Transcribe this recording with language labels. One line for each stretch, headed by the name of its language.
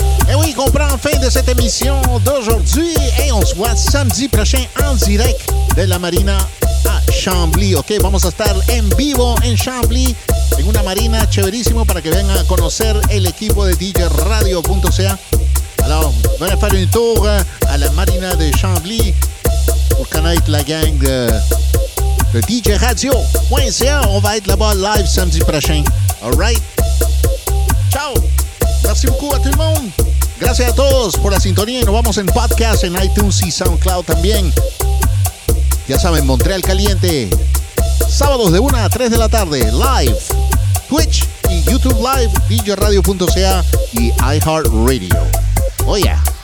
French: Et oui, comprends la fin de cette émission d'aujourd'hui. Et on se voit samedi prochain en direct de la Marina a Chambly,
Spanish: ok, vamos a estar en vivo en Chambly, en una marina chéverísimo para que vengan a conocer el equipo de DJ Radio.ca.
French: Alors,
Spanish: van a
French: faire un tour a la marina de Chambly pour connaître la gang de DJ Radio.ca. On va être là-bas live samedi prochain, alright.
Spanish: Ciao,
French: merci beaucoup à tout le monde,
Spanish: gracias a todos por la sintonía y nos vamos en podcast en iTunes y SoundCloud también. Ya saben, Montreal Caliente, sábados de 1 a 3 de la tarde, live, Twitch y YouTube Live, DJRadio.ca y iHeartRadio.
English: Oh yeah.